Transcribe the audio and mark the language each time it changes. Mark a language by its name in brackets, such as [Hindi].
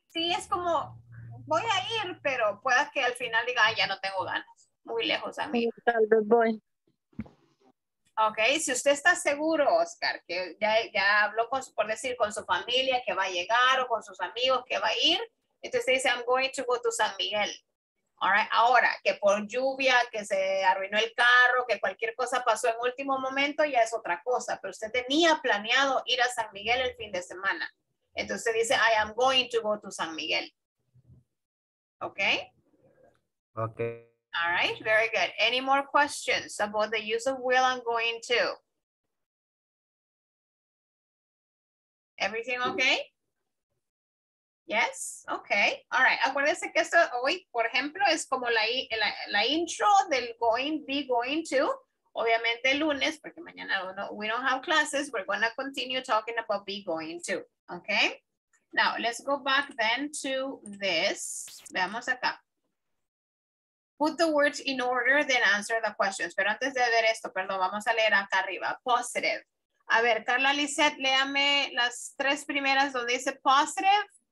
[Spanish] Sí, es como, voy a ir, pero pueda que al final diga, ay, ya no tengo ganas. Muy lejos a mí. Sí, tal vez voy. Ok, si usted está seguro, Oscar, que ya habló con su, por decir, con su familia, que va a llegar, o con sus amigos, que va a ir. Entonces dice, [English] I'm going to go to San Miguel. All right. [Spanish] Ahora, que por lluvia, que se arruinó el carro, que cualquier cosa pasó en último momento, ya es otra cosa. Pero usted tenía planeado ir a San Miguel el fin de semana. Entonces usted dice, [English] I am going to go to San Miguel. ¿Ok? Ok. All right, very good. Any more questions about the use of will and going to? Everything okay? Yes, okay, all right. [Spanish] Acuérdense que esto hoy, por ejemplo, es como la intro del going, be going to. Obviamente el lunes, porque mañana [English] we don't have classes, we're going to continue talking about be going to, okay? Now, let's go back then to this. [Spanish] Veamos acá. [English] Put the words in order, then answer the questions. [Spanish] Pero antes de ver esto, perdón, vamos a leer acá arriba, positive. A ver, Carla Lizette, léame las tres primeras donde dice positive.